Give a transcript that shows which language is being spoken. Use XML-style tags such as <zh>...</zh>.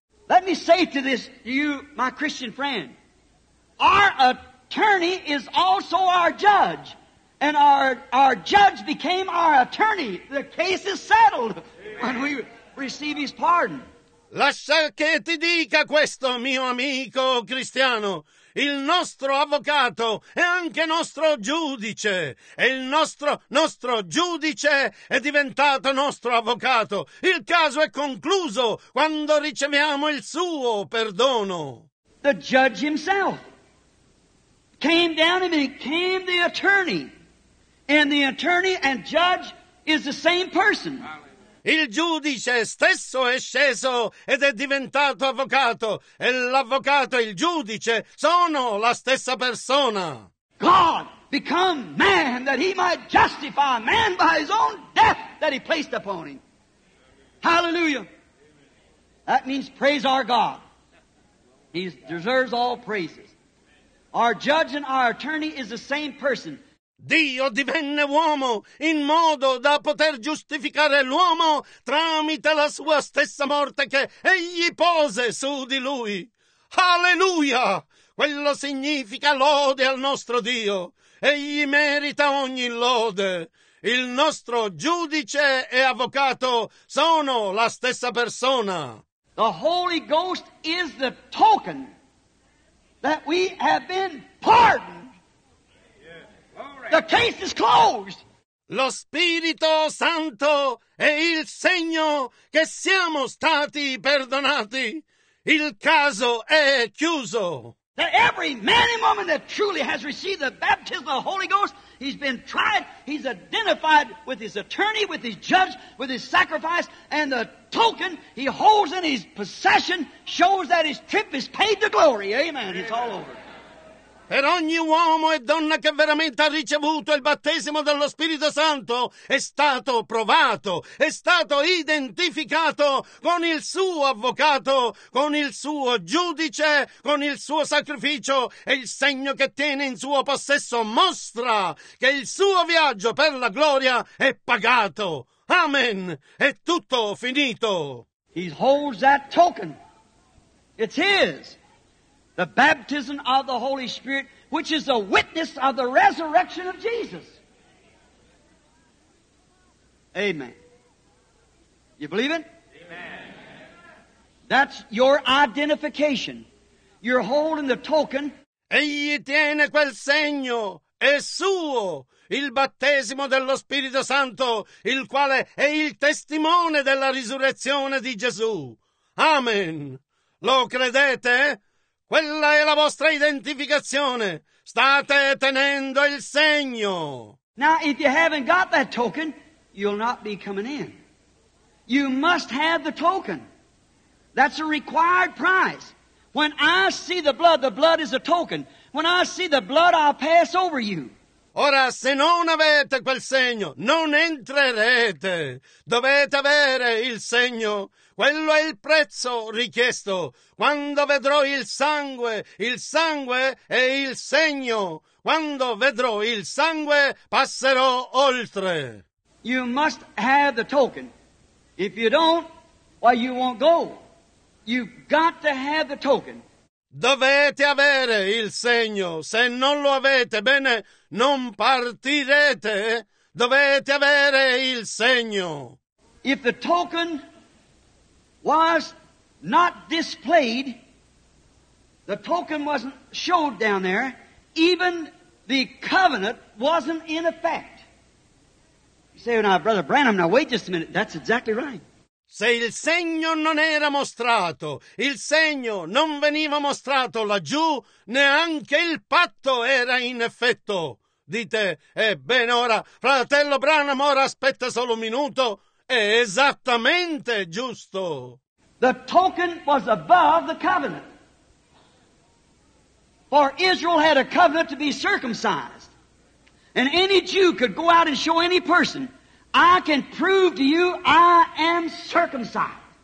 <en>Let me say to this, you, my Christian friend, our attorney is also our judge. And our judge became our attorney. The case is settled when we receive his pardon.</en> <it>Lascia che ti dica questo, mio amico cristiano. Il nostro avvocato è anche nostro giudice. E il nostro giudice è diventato nostro avvocato. Il caso è concluso quando riceviamo il suo perdono.</it> <en>The judge himself came down and became the attorney. And the attorney and judge is the same person.</en> <it>Il giudice stesso è sceso ed è diventato avvocato. E l'avvocato e il giudice sono la stessa persona.</it> <en>God become man that he might justify man by his own death that he placed upon him. Hallelujah. That means praise our God. He deserves all praises. Our judge and our attorney is the same person.</en> <it>Dio divenne uomo in modo da poter giustificare l'uomo tramite la sua stessa morte che egli pose su di lui. Alleluia! Quello significa lode al nostro Dio. Egli merita ogni lode. Il nostro giudice e avvocato sono la stessa persona.</it> <en>The Holy Ghost is the token that we have been pardoned. The case is closed.</en> <it>Lo Spirito Santo è il segno che siamo stati perdonati. Il caso è chiuso.</it> <en>That every man and woman that truly has received the baptism of the Holy Ghost, he's been tried, he's identified with his attorney, with his judge, with his sacrifice, and the token he holds in his possession shows that his trip is paid to glory. Amen. It's all over.</en> <it>Per ogni uomo e donna che veramente ha ricevuto il battesimo dello Spirito Santo, è stato provato, è stato identificato con il suo avvocato, con il suo giudice, con il suo sacrificio e il segno che tiene in suo possesso mostra che il suo viaggio per la gloria è pagato. Amen. È tutto finito.</it> <en>He holds that token. It's his. The baptism of the Holy Spirit, which is a witness of the resurrection of Jesus. Amen. You believe it? Amen. That's your identification. You're holding the token.</en> <it>Egli tiene quel segno, è suo, il battesimo dello Spirito Santo, il quale è il testimone della risurrezione di Gesù. Amen. Lo credete? Quella è la vostra identificazione. State tenendo il segno.</it> <en>Now, if you haven't got that token, you'll not be coming in. You must have the token. That's a required price. When I see the blood is a token. When I see the blood, I'll pass over you.</en> <it>Ora, se non avete quel segno, non entrerete. Dovete avere il segno. Quello è il prezzo richiesto. Quando vedrò il sangue è il segno. Quando vedrò il sangue, passerò oltre.</it> <en>You must have the token. If you don't, well, you won't go. You've got to have the token.</en> <it>Dovete avere il segno. Se non lo avete, bene, non partirete. Dovete avere il segno.</it> <en>If the token was not displayed, the token wasn't showed down there, even the covenant wasn't in effect. You say, well, now, Brother Branham, now wait just a minute. That's exactly right.</en> <it>Se il segno non era mostrato, il segno non veniva mostrato laggiù, neanche il patto era in effetto. Dite, ebbene ora, fratello Branham, ora aspetta solo un minuto. È esattamente giusto.</it> <en>The token was above the covenant. For Israel had a covenant to be circumcised. And any Jew could go out and show any person, I can prove to you I am circumcised.</en>